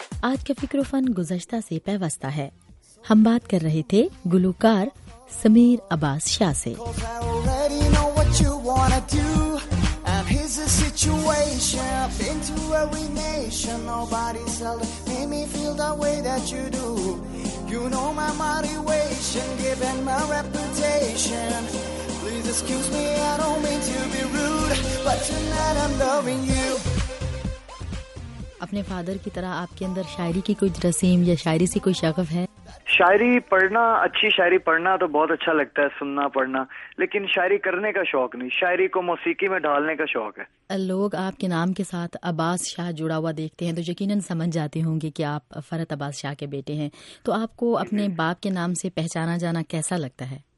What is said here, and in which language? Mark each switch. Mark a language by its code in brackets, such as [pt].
[ur] آج کا فکر و فن گزشتہ سے پیوستہ ہے۔ ہم بات کر رہے تھے گلوکار سمیر عباس شاہ سے۔ [en] You know my motivation, given my reputation. Please excuse me, I don't mean to be rude, but tonight I'm loving you. [ur] اپنے فادر کی طرح آپ کے اندر شاعری کی کوئی رسیم یا شاعری سے کوئی شغف ہے؟ شاعری پڑھنا، اچھی شاعری پڑھنا تو بہت اچھا لگتا ہے، سننا پڑھنا، لیکن شاعری کرنے کا شوق نہیں، شاعری کو موسیقی میں ڈھالنے کا شوق ہے۔ لوگ آپ کے نام کے ساتھ عباس شاہ جڑا ہوا دیکھتے ہیں تو یقیناً سمجھ جاتے ہوں گے کہ آپ فرحت عباس شاہ کے بیٹے ہیں، تو آپ کو اپنے باپ کے نام سے پہچانا جانا کیسا لگتا ہے؟